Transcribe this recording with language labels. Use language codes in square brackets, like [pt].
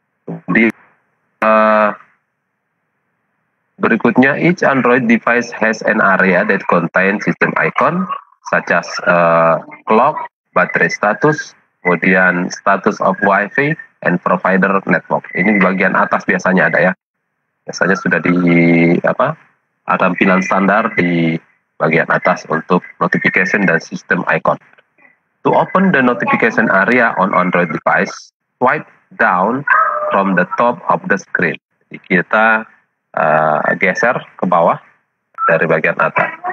[id] Jadi, berikutnya, [en] each Android device has an area that contains system icon, such as clock, battery status, [id] kemudian [en] status of Wi-Fi, and provider network. [id] Ini bagian atas biasanya ada ya. biasanya sudah di apa tampilan standar di bagian atas untuk notification dan sistem icon. [en] To open the notification area on Android device, swipe down from the top of the screen. [id] Jadi kita geser ke bawah dari bagian atas.